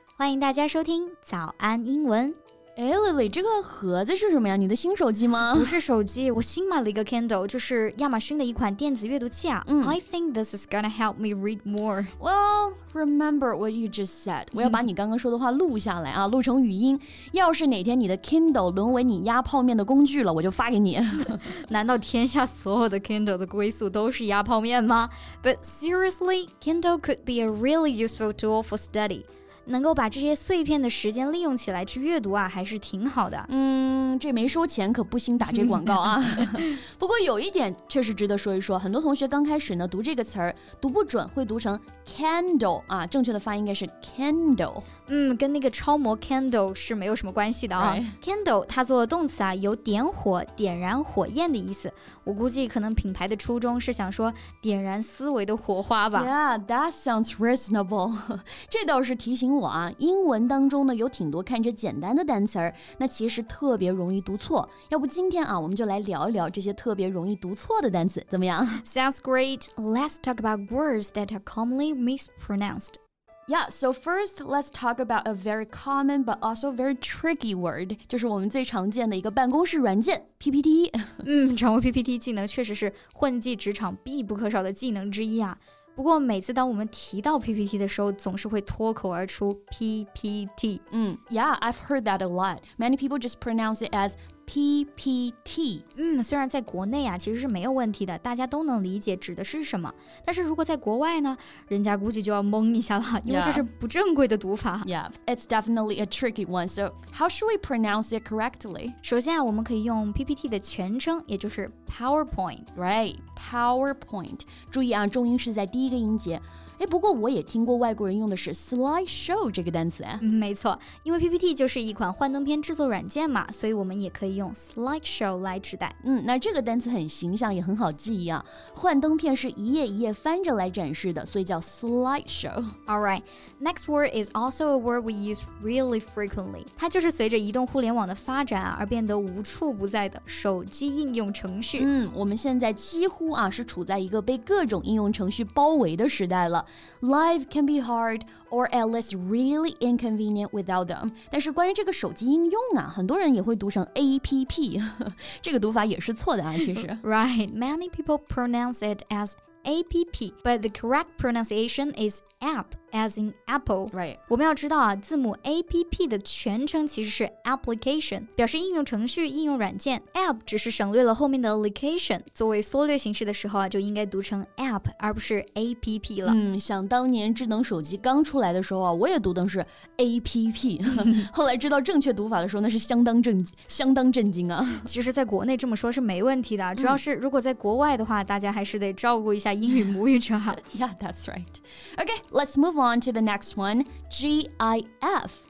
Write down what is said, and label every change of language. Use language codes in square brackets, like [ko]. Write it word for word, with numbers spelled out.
[zh] 欢迎大家收听早安英文。哎 Lily, 这个盒子是什么呀？你的新手机吗？不是手机，我新买了一个 Kindle， 就是亚马逊的一款电子阅读器啊。 [en] 嗯、I think this is gonna help me read more. Well, remember what you just said. [zh] 我要把你刚刚说的话录下来啊，录成语音。要是哪天你的 Kindle 沦为你压泡面的工具了，我就发给你。难道天下所有的 Kindle 的归宿都是压泡面吗？ [en] But seriously, Kindle could be a really useful tool for study. [zh] 能够把这些碎片的时间利用起来去阅读啊，还是挺好的。嗯，这没收钱可不兴打这广告啊。不过有一点确实值得说一说，很多同学刚开始呢读这个词儿读不准，会读成 candle 啊，正确的发音应该是 candle。嗯，跟那个超模 candle 是没有什么关系的啊。 [en] Right. [zh] Candle 它做的动词啊，有点火、点燃火焰的意思。我估计可能品牌的初衷是想说点燃思维的火花吧。 [en] Yeah, that sounds reasonable. [zh] 这倒是提醒我啊，英文当中呢有挺多看着简单的单词儿，那其实特别容易读错。要不今天啊，我们就来聊一聊这些特别容易读错的单词，怎么样 [en] ？Sounds great. Let's talk about words that are commonly mispronounced. Yeah, so first, let's talk about a very common but also very tricky word. [zh] 就是我们最常见的一个办公室软件 P P T 嗯，掌握 P P T 技能确实是混迹职场必不可少的技能之一啊。不过每次当我们提到 P P T 的时候，总是会脱口而出 P P T。 [en] 嗯 ，Yeah, I've heard that a lot. Many people just pronounce it as P P T。 [zh] 嗯，虽然在国内啊其实是没有问题的，大家都能理解指的是什么。但是如果在国外呢，人家估计就要懵一下了，因为这是不正规的读法。 [en] Yeah, it's definitely a tricky one. So how should we pronounce it correctly? [zh] 首先啊，我们可以用 P P T 的全称，也就是 PowerPoint。 [en] Right, [zh] PowerPoint。 注意啊，重音是在第一。一个音节，哎，不过我也听过外国人用的是 slideshow 这个单词、嗯、没错，因为 P P T 就是一款幻灯片制作软件嘛，所以我们也可以用 slideshow 来指代。嗯，那这个单词很形象，也很好记忆啊。幻灯片是一页一页翻着来展示的，所以叫 slideshow。 [en] All right, next word is also a word we use really frequently. [zh] 它就是随着移动互联网的发展、啊、而变得无处不在的手机应用程序。嗯，我们现在几乎啊是处在一个被各种应用程序包围的时代了。 [en] Life can be hard or at least really inconvenient without them. [zh] 但是关于这个手机应用啊，很多人也会读成 A P P 这个读法也是错的啊，其实。 [en] Right, many people pronounce it as A P P, but the correct pronunciation is app, as in apple. Right. [zh] 我们要知道啊，字母 A P P 的全称其实是 application, 表示应用程序、应用软件。 App 只是省略了后面的 application, 作为缩略形式的时候啊，就应该读成 app, 而不是 A P P 了。嗯，想当年智能手机刚出来的时候啊，我也读的是 A P P, 后来知道正确读法的时候，那是相当震惊，相当震惊啊。其实在国内这么说是没问题的，主要是如果在国外的话，大家还是得照顾一下英语母语者哈。 [en] Yeah, that's right. Okay, let's move on to the next one, G I F.